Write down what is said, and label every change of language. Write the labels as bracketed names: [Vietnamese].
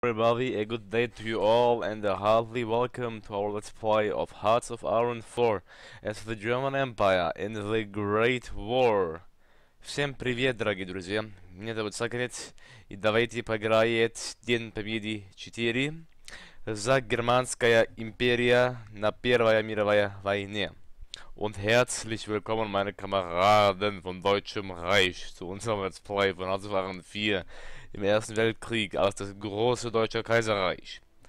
[English] Everybody, a good day to you all, and a hearty welcome to our let's play of Hearts of Iron 4 as the German Empire in the Great War. [Russian] Всем привет, дорогие друзья, меня зовут Саконец, и давайте поиграем День Победы 4 за Германская Империя на Первой мировой войне. [German] Und herzlich willkommen, meine Kameraden von Deutschem Reich, zu unserem Let's Play von Hearts of Iron 4 im Ersten Weltkrieg als das große deutsche Kaiserreich.